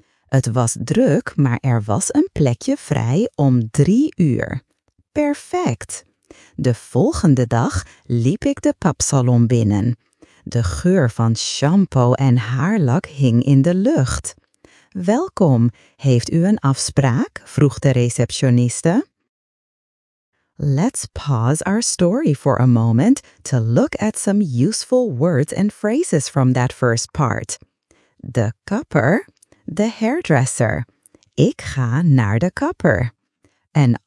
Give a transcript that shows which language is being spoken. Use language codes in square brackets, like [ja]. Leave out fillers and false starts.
[nl] Het was druk, maar er was een plekje vrij om 3:00. Perfect! De volgende dag liep ik de papsalon binnen. De geur van shampoo en haarlak hing in de lucht. Welkom, heeft u een afspraak? Vroeg de receptioniste. [en] Let's pause our story for a moment to look at some useful words and phrases from that first part. The kapper. The hairdresser. [nl] Ik ga naar de kapper. [en] An